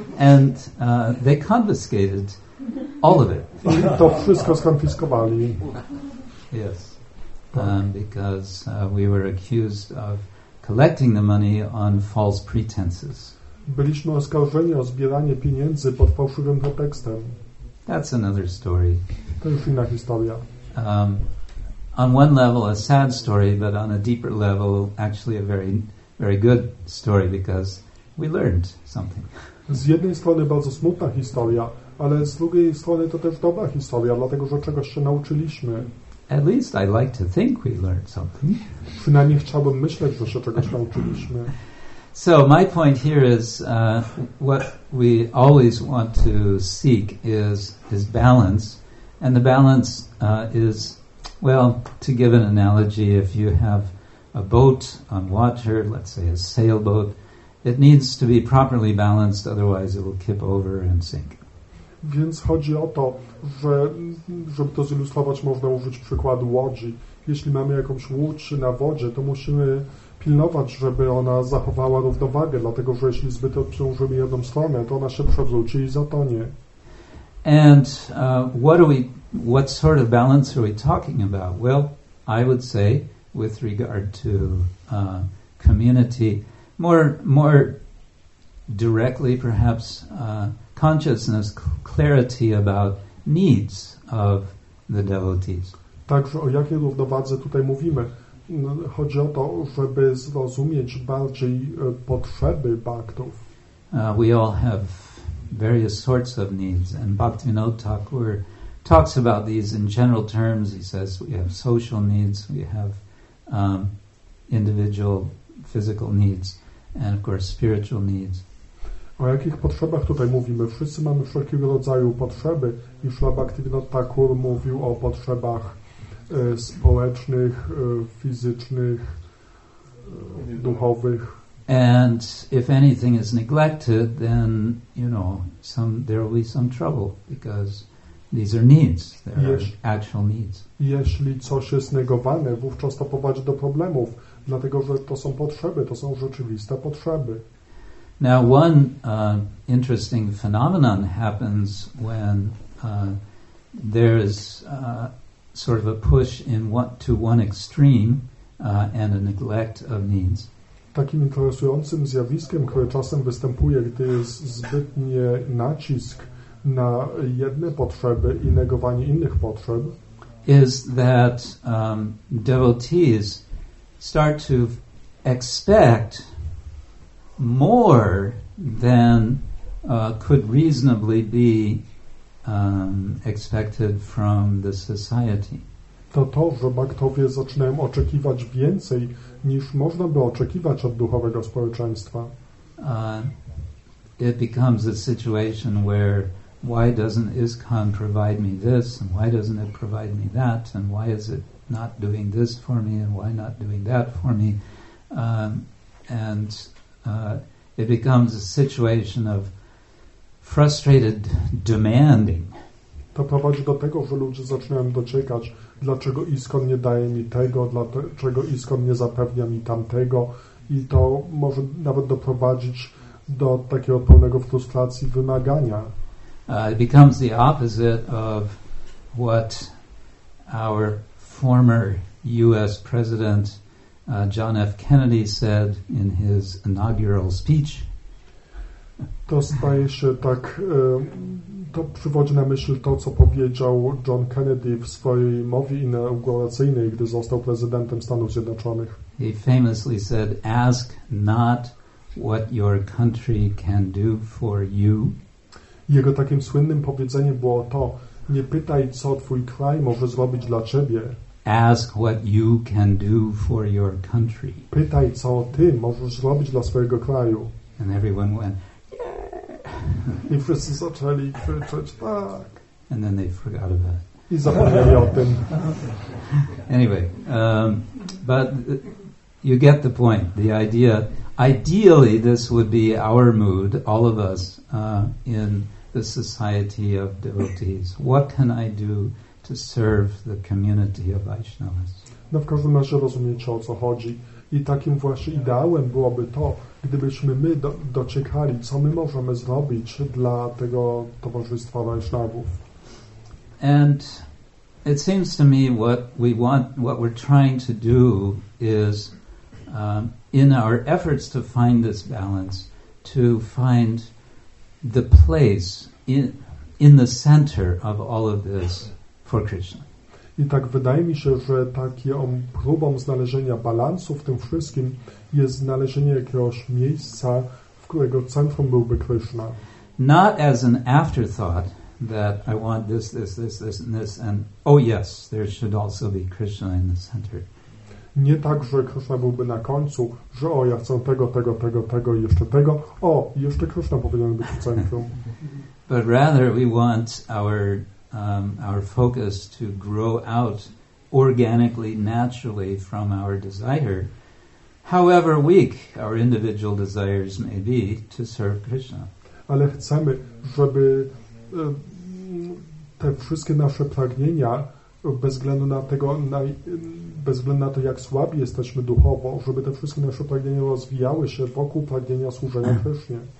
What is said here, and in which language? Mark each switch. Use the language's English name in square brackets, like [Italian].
[English] And they confiscated all of it. [Polish] I to wszystko skonfiskowali. [English] Yes. Because we were accused of collecting the money on false pretenses. [Polish] Byliśmy oskarżeni o zbieranie pieniędzy pod fałszywym pretekstem. [English] That's another story. [Polish] To już inna historia. [English] On one level a sad story, but on a deeper level actually a very, very good story because we learned something. [Polish] Z jednej strony bardzo smutna historia, ale z drugiej strony to też dobra historia, dlatego że czegoś się nauczyliśmy. [English] At least I like to think we learned something. [Polish] Przynajmniej chciałbym myśleć, że się czegoś nauczyliśmy. [English] So my point here is what we always want to seek is balance, and the balance is, well, to give an analogy, if you have a boat on water, let's say a sailboat, it needs to be properly balanced, otherwise it will tip over and sink. [Polish] Więc chodzi o to, że żeby to zilustrować, można użyć przykładu łodzi. Jeśli mamy jakąś łódź na wodzie, to musimy pilnować, żeby ona zachowała równowagę, dlatego że jeśli zbyt obciążymy jedną stronę, to ona się przewróci i zatonie. [English] And what sort of balance are we talking about? Well, I would say with regard to community, more directly perhaps consciousness, clarity about needs of the devotees. [Polish] Także o jakiej równowadze tutaj mówimy? Chodzi o to, żeby zrozumieć bardziej potrzeby baktów. [English] We all have various sorts of needs, and Bhaktivinoda Thakur talks about these in general terms. He says we have social needs, we have individual physical needs, and of course spiritual needs. [Polish] O jakich potrzebach tutaj mówimy? Wszyscy mamy wszelkiego rodzaju potrzeby, i Śla Bhaktivinoda Thakur mówił o potrzebach społecznych, fizycznych, duchowych. [English] And if anything is neglected, then, you know, there will be some trouble, because these are needs, actual needs. [Polish] Jeśli coś jest negowane, wówczas to prowadzi do problemów, dlatego że to są potrzeby, to są rzeczywiste potrzeby. [English] Now, one interesting phenomenon happens when there is sort of a push to one extreme and a neglect of needs. [Polish] Takim interesującym zjawiskiem, które czasem występuje, gdy jest zbytnie nacisk na jedne potrzeby i negowanie innych potrzeb, [English] is that devotees start to expect more than could reasonably be expected from the society. [Polish] To, że baktowie zaczynają oczekiwać więcej niż można by oczekiwać od duchowego społeczeństwa. [English] It becomes a situation where why doesn't ISKCON provide me this and why doesn't it provide me that and why is it not doing this for me and why not doing that for me? It becomes a situation of frustrated demanding. [Polish] To prowadzi do tego, że ludzie zaczynają dociekać, dlaczego ISKCON nie daje mi tego, dlaczego ISKCON nie zapewnia mi tamtego, i to może nawet doprowadzić do takiego pełnego frustracji wymagania. [English] It becomes the opposite of what our former US president John F. Kennedy said in his inaugural speech. [Polish] To staje się tak, to przywodzi na myśl to, co powiedział John Kennedy w swojej mowie inauguracyjnej, gdy został prezydentem Stanów Zjednoczonych. [English] He famously said, "Ask not what your country can do for you." [Polish] Jego takim słynnym powiedzeniem było to: nie pytaj, co twój kraj może zrobić dla ciebie. [English] Ask what you can do for your country. [Polish] Pytaj, co ty możesz zrobić dla swojego kraju. [English] And everyone went, [Polish] i wszyscy zaczęli krzyczeć tak. [English] And then they forgot about it. [Polish] I zapomnieli o tym. [English] Anyway, but you get the point. The idea, ideally this would be our mood, all of us, in the society of devotees. What can I do to serve the community of Vaishnavas? [Polish] No, w każdym razie rozumiecie, o co chodzi. I takim właśnie ideałem byłoby to, gdybyśmy my dociekali, co my możemy zrobić dla tego towarzystwa Vaishnavów. [English] And it seems to me what we want, what we're trying to do is in our efforts to find this balance, to find the place in the center of all of this for Krishna. [Polish] I tak wydaje mi się, że taką próbą znalezienia balansu w tym wszystkim jest znalezienie jakiegoś miejsca, w którego centrum byłby Krishna. [English] Not as an afterthought that I want this, this, this, this, and this, and oh yes, there should also be Krishna in the center. [Polish] Nie tak, że Krishna byłby na końcu, że o, ja chcę tego, tego, tego, tego i jeszcze tego. O, jeszcze Krishna powinien być w centrum. [English] But rather we want our focus to grow out organically, naturally from our desire, however weak our individual desires may be, to serve Krishna. [Polish] Ale chcemy, żeby te wszystkie nasze pragnienia, bez względu na tego, bez względu na to, jak słabi jesteśmy duchowo, żeby te wszystkie nasze pragnienia rozwijały się wokół pragnienia służenia Krishnie.